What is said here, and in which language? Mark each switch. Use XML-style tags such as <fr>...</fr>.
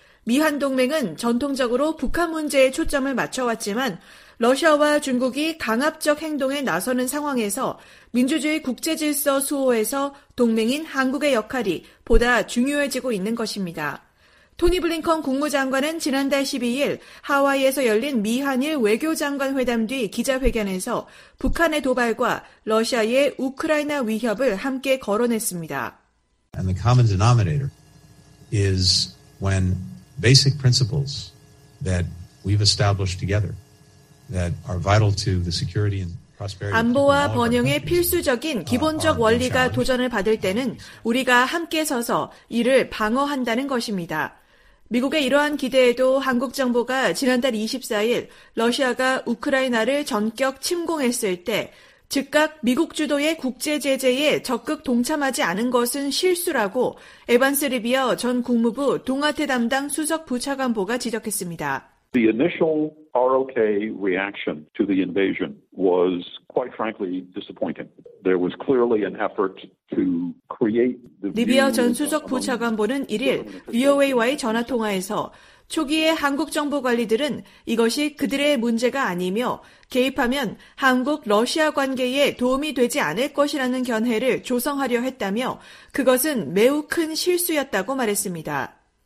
<ko>미한동맹은 전통적으로 북한 문제에 초점을 맞춰왔지만 러시아와 중국이 강압적 행동에 나서는 상황에서 민주주의 국제질서 수호에서 동맹인 한국의 역할이 보다 중요해지고 있는 것입니다. 토니 블링컨 국무장관은 지난달 12일 하와이에서 열린 미한일 외교장관 회담 뒤 기자회견에서 북한의 도발과 러시아의 우크라이나 위협을 함께 거론했습니다.</ko> <en>And the common denominator is when basic principles that we've established together that are vital to the security and</en> <ko>안보와 번영에 필수적인 기본적 원리가 도전을 받을 때는 우리가 함께 서서 이를 방어한다는 것입니다. 미국의 이러한 기대에도 한국 정부가 지난달 24일 러시아가 우크라이나를 전격 침공했을 때 즉각 미국 주도의 국제 제재에 적극 동참하지 않은 것은 실수라고 에반스 리비어 전 국무부 동아태 담당 수석 부차관보가 지적했습니다.</ko> <en>The initial ROK reaction to the invasion was quite frankly disappointing. There was clearly an effort to create the</en> <ko>리비아 전 수석 부차관보는 1일 VOA와의 전화 통화에서 초기에 한국 정부 관리들은 이것이 그들의 문제가 아니며 개입하면 한국 러시아 관계에 도움이 되지 않을 것이라는 견해를 조성하려 했다며 그것은 매우 큰 실수였다고 말했습니다.</ko>